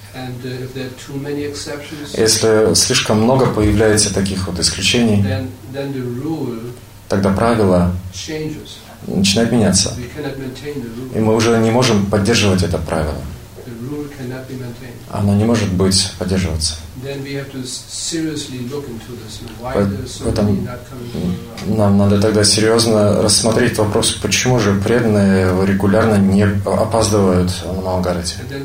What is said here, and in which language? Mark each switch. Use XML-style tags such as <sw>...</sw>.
<en>And if there are too many exceptions,</en> <ru>если слишком много появляется таких вот исключений,</ru> <en>then the rule,</en> <ru>тогда правило</ru> <en>changes.</en> <ru>Начинает меняться.</ru> <en>We cannot maintain the rule.</en> <ru>И мы уже не можем поддерживать это правило.</ru> <en>The rule cannot be maintained.</en> <ru>Оно не может быть поддерживаться.</ru> <en>Then we have to seriously look into this. Why there are so many not coming around?</en> <ru>Нам надо тогда серьезно рассмотреть вопрос, почему же преданные регулярно не опаздывают на Малгарате.</ru>